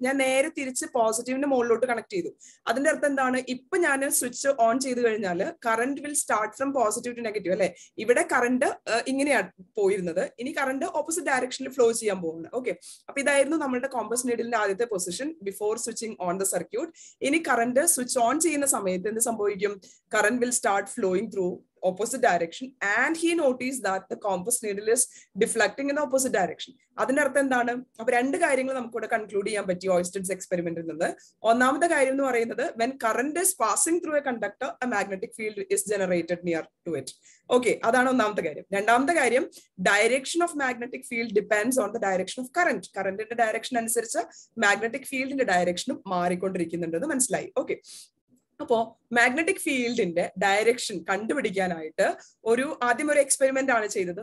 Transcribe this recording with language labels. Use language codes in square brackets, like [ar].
[ml] ഞാൻ നേരെ തിരിച്ച് പോസിറ്റീവിന്റെ മുകളിലോട്ട് കണക്ട് ചെയ്തു. അതിന്റെ അർത്ഥം എന്താണ്, ഇപ്പൊ ഞാൻ സ്വിച്ച് ഓൺ ചെയ്ത് കഴിഞ്ഞാൽ [en] current will start from positive to negative [ml] അല്ലെ. ഇവിടെ കറന്റ് ഇങ്ങനെയാണ് പോയിരുന്നത്, ഇനി കറന്റ് ഓപ്പോസിറ്റ് ഡയറക്ഷനിൽ ഫ്ലോ ചെയ്യാൻ പോകുന്നത്. ഓക്കെ, അപ്പൊ ഇതായിരുന്നു നമ്മുടെ കോമ്പസ് നീഡിലിന്റെ ആദ്യത്തെ position [en] Before switching on the circuit. [ml] ഇനി കറന്റ് സ്വിച്ച് ഓൺ ചെയ്യുന്ന സമയത്ത് എന്ത് സംഭവിക്കും? [en] Current will start flowing through opposite direction and he noticed that the compass needle is deflecting in the opposite direction. [ml] അതിനർത്ഥം എന്താണ്? അപ്പൊ രണ്ട് കാര്യങ്ങൾ നമുക്കിവിടെ കൺക്ലൂഡ് ചെയ്യാൻ പറ്റി ഓയിസ്റ്റഡ്സ് എക്സ്പെരിമെന്റിൽ നിന്ന്. ഒന്നാമത്തെ കാര്യം എന്ന് പറയുന്നത്, [en] when current is passing through a conductor, a magnetic field is generated near to it. [ml] Okay, അതാണ് ഒന്നാമത്തെ കാര്യം. രണ്ടാമത്തെ കാര്യം, [en] Direction of magnetic field depends on the direction of current. [ml] കറന്റിന്റെ ഡയറക്ഷൻ അനുസരിച്ച് മാഗ്നറ്റിക് ഫീൽഡിന്റെ ഡയറക്ഷനും മാറിക്കൊണ്ടിരിക്കുന്നുണ്ട് എന്ന് മനസ്സിലായി. ഓക്കെ, അപ്പോ മാഗ്നറ്റിക് ഫീൽഡിന്റെ ഡയറക്ഷൻ കണ്ടുപിടിക്കാനായിട്ട് ഒരു ആദ്യം ഒരു എക്സ്പെരിമെന്റ് ആണ് ചെയ്തത്.